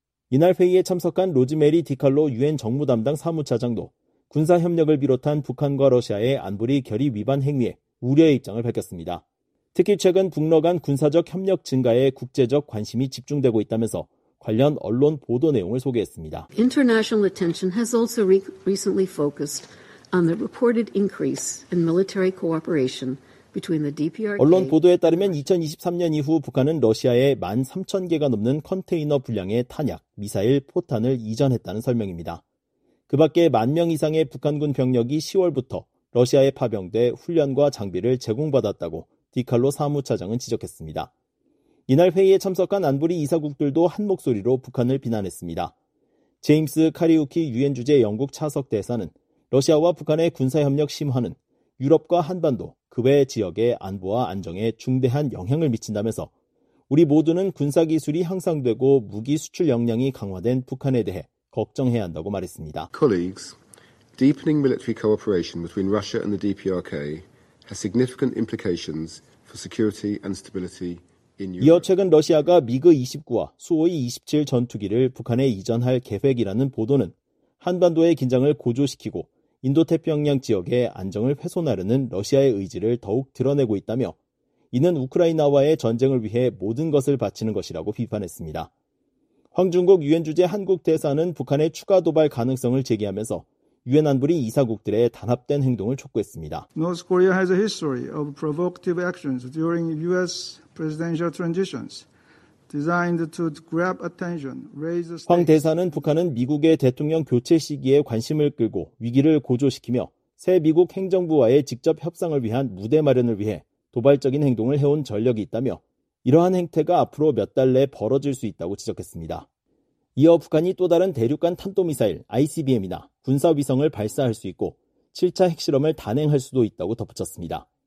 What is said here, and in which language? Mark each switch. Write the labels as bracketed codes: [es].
[ko] 이날 회의에 참석한 로즈메리 디칼로 유엔 정무담당 사무차장도 군사협력을 비롯한 북한과 러시아의 안보리 결의 위반 행위에 우려의 입장을 밝혔습니다. 특히 최근 북러 간 군사적 협력 증가에 국제적 관심이 집중되고 있다면서 관련 언론 보도 내용을 소개했습니다. [en] International attention has also recently focused on the reported increase in military cooperation between the DPRK. [ko] 언론 보도에 따르면 2023년 이후 북한은 러시아에 13,000개가 넘는 컨테이너 분량의 탄약, 미사일, 포탄을 이전했다는 설명입니다. 그 밖에 1만 명 이상의 북한군 병력이 10월부터 러시아에 파병돼 훈련과 장비를 제공받았다고 디칼로 사무차장은 지적했습니다. 이날 회의에 참석한 안보리 이사국들도 한 목소리로 북한을 비난했습니다. 제임스 카리우키 유엔 주재 영국 차석 대사는 러시아와 북한의 군사협력 심화는 유럽과 한반도, 그 외 지역의 안보와 안정에 중대한 영향을 미친다면서 우리 모두는 군사기술이 향상되고 무기 수출 역량이 강화된 북한에 대해 걱정해야 한다고 말했습니다. [en] Colleagues, deepening military cooperation between Russia and the DPRK has significant implications for security and stability in Europe. [ko] 이어 최근 러시아가 미그-29와 수호이-27 전투기를 북한에 이전할 계획이라는 보도는 한반도의 긴장을 고조시키고 인도태평양 지역의 안정을 훼손하려는 러시아의 의지를 더욱 드러내고 있다며 이는 우크라이나와의 전쟁을 위해 모든 것을 바치는 것이라고 비판했습니다. 황중국 유엔 주재 한국 대사는 북한의 추가 도발 가능성을 제기하면서 유엔 안보리 이사국들의 단합된 행동을 촉구했습니다. [en] North Korea has a history of provocative actions during U.S. presidential transitions designed to grab attention, raise the stakes. [ko] 황 대사는 북한은 미국의 대통령 교체 시기에 관심을 끌고 위기를 고조시키며 새 미국 행정부와의 직접 협상을 위한 무대 마련을 위해 도발적인 행동을 해온 전력이 있다며 이러한 행태가 앞으로 몇 달 내 벌어질 수 있다고 지적했습니다. 이어 북한이 또 다른 대륙간 탄도미사일 ICBM이나 군사위성을 발사할 수 있고 7차 핵실험을 단행할 수도 있다고 덧붙였습니다.